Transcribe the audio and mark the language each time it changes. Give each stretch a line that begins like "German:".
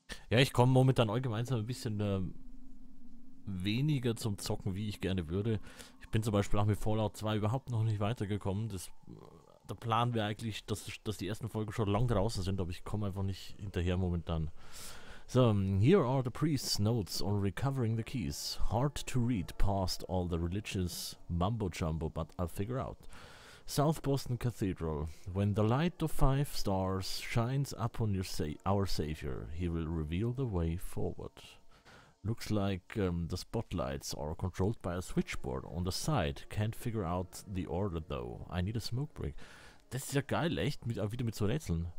German: Ja, ich komme momentan allgemein ein bisschen weniger zum Zocken, wie ich gerne würde. Ich bin zum Beispiel auch mit Fallout 2 überhaupt noch nicht weitergekommen. Der Plan wäre eigentlich, dass die ersten Folgen schon lang draußen sind, aber ich komme einfach nicht hinterher momentan.
English: So, here are the priest's notes on recovering the keys. Hard to read past all the religious mumbo-jumbo, but I'll figure out. South Boston Cathedral. When the light of five stars shines upon our Savior, he will reveal the way forward. Looks like the spotlights are controlled by a switchboard on the side. Can't figure out the order though. I need a smoke break.
German: Das ist ja geil, echt, mit, wieder mit so Rätseln.